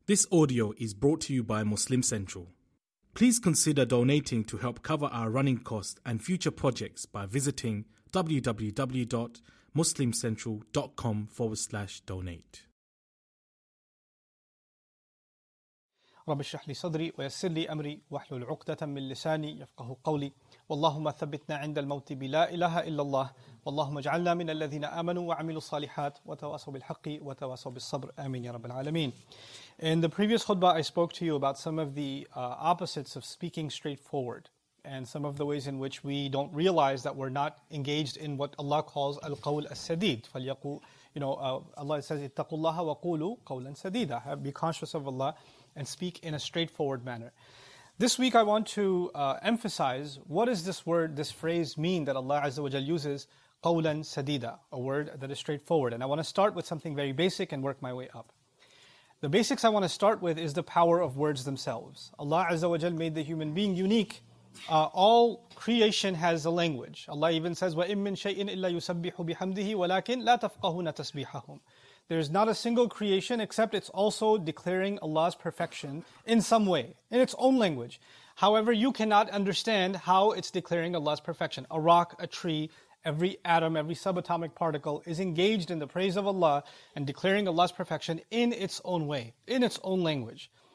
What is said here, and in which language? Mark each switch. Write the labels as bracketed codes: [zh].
[en] This audio is brought to you by Muslim Central. Please consider donating to help cover our running costs and future projects by visiting www.muslimcentral.com/donate. [ar] رب اشرح لي صدري ويسر لي امري واحلل عقدة من لساني يفقهوا قولي واللهم ثبتنا عند الموت بلا اله الا الله واللهم اجعلنا من الذين امنوا وعملوا الصالحات وتواصوا بالحق وتواصوا بالصبر امين يا رب العالمين. [en] In the previous khutbah I spoke to you about some of the opposites of speaking straightforward and some of the ways in which we don't realize that we're not engaged in what Allah calls al-qawl as-sadid. [ar] Allah says اتقوا الله وقولوا قولا سديدا. [en] Be conscious of Allah and speak in a straightforward manner. This week I want to emphasize, what does this word, this phrase mean that Allah Azza wa Jalla uses, [ar] قَوْلًا سَدِيدًا, [en] a word that is straightforward. And I want to start with something very basic and work my way up. The basics I want to start with is the power of words themselves. Allah Azza wa Jalla made the human being unique. All creation has a language. [ar] Allah even says, وَإِن مِّن شَيْءٍ إِلَّا يُسَبِّحُ بِحَمْدِهِ وَلَكِنْ لَا تَفْقَهُنَ تَسْبِيحَهُمْ. [en] There is not a single creation except it's also declaring Allah's perfection in some way, in its own language. However, you cannot understand how it's declaring Allah's perfection. A rock, a tree, every atom, every subatomic particle is engaged in the praise of Allah and declaring Allah's perfection in its own way, in its own language.